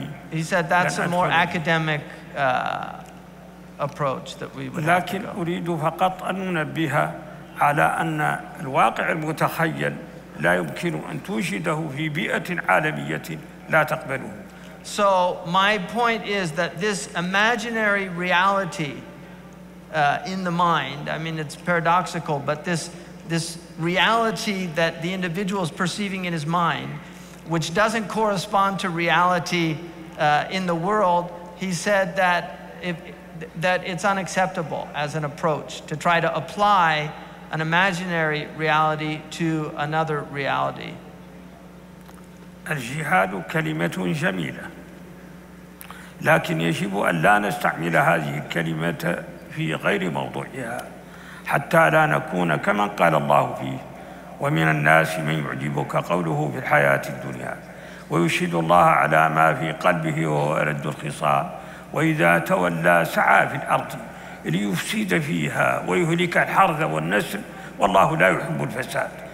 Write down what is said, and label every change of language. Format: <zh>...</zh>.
<en>He said that's a more academic approach that we would</en> <ar>لكن</ar> <en>have.</en> <ar>أريد فقط أن ننبه على أن الواقع المتخيل لا يمكن أن توجده في بيئة عالمية لا تقبله.</ar> <en>So my point is that this imaginary reality in the mind, I mean, it's paradoxical, but this reality that the individual is perceiving in his mind, which doesn't correspond to reality in the world, he said that that it's unacceptable as an approach to try to apply an imaginary reality to another reality.</en> <ar>الجهاد كلمة جميلة. لكن يجب أن لا نستعمل هذه الكلمة في غير موضوعها حتى لا نكون كمن قال الله فيه ومن الناس من يعجبك قوله في الحياة الدنيا ويشهد الله على ما في قلبه وهو أرد الخصام وإذا تولى سعى في الأرض ليفسد فيها ويهلك الحرث والنسل والله لا يحب الفساد</ar>